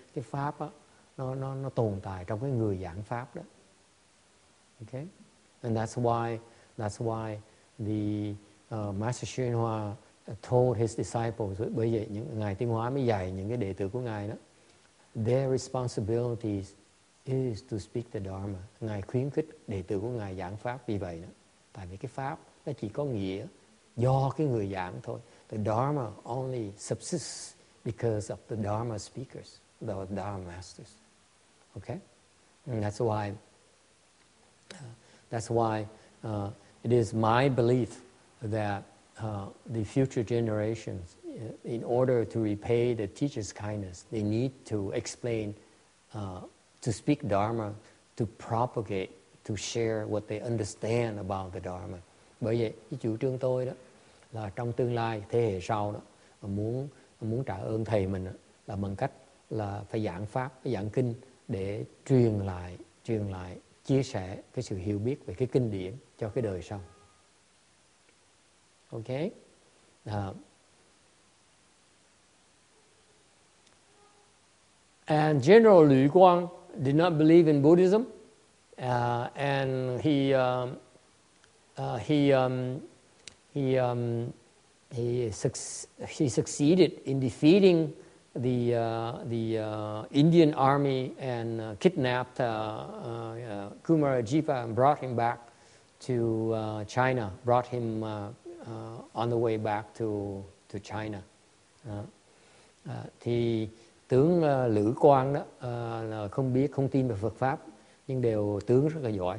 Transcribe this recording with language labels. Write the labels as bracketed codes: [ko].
[vi] Cái pháp á nó tồn tại trong cái người giảng pháp đó. [en] Okay. And that's why the Master Xuyên Hoa told his disciples, [vi] bởi vậy những ngài Tinh Hóa mới dạy những cái đệ tử của ngài đó, [en] their responsibility is to speak the dharma. [vi] Ngài khuyến khích đệ tử của ngài giảng pháp vì vậy đó, tại vì cái pháp nó chỉ có nghĩa do cái người giảng thôi. [en] The dharma only subsists because of the dharma speakers, the dharma masters. Okay? And that's why it is my belief that the future generations, in order to repay the teacher's kindness, they need to explain, to speak dharma, to propagate, to share what they understand about the dharma. [vi] Bởi vậy, cái chủ trương tôi đó là trong tương lai thế hệ sau đó muốn trả ơn thầy mình đó, là bằng cách là phải giảng pháp, giảng kinh để truyền lại, chia sẻ cái sự hiểu biết về cái kinh điển cho cái đời sau. Okay. And General Lü Guang did not believe in Buddhism, and he succeeded in defeating the Indian army and kidnapped Kumarajiva and brought him back to China. Brought him on the way back to China. Thì tướng Lữ Quang đó là không biết, không tin về Phật pháp, nhưng đều tướng rất là giỏi.